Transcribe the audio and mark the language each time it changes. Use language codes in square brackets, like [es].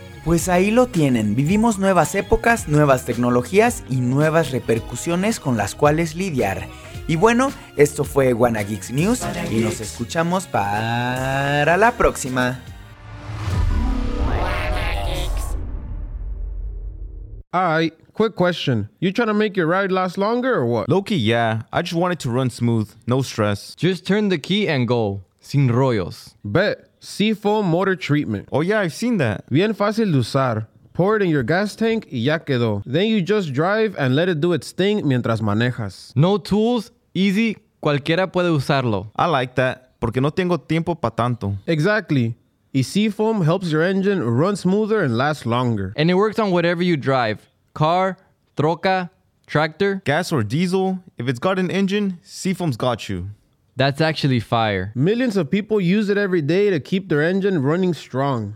[es] Pues ahí lo tienen, vivimos nuevas épocas, nuevas tecnologías y nuevas repercusiones con las cuales lidiar. Y bueno, esto fue WannaGeeks News y nos escuchamos para la próxima. [en] Alright, quick question. You trying to make your ride last longer or what? Low-key, yeah. I just want it to run smooth. No stress. Just turn the key and go. [es] Sin rollos. [en] Bet. Seafoam motor treatment. Oh yeah, I've seen that. [es] Bien fácil de usar. [en] Pour it in your gas tank [es] y ya quedó. [en] Then you just drive and let it do its thing [es] mientras manejas. [en] No tools. Easy. [es] Cualquiera puede usarlo. [en] I like that. [es] Porque no tengo tiempo pa tanto. [en] Exactly. Y Seafoam helps your engine run smoother and last longer. And it works on whatever you drive. Car, troca, tractor. Gas or diesel. If it's got an engine, Seafoam's got you. That's actually fire. Millions of people use it every day to keep their engine running strong.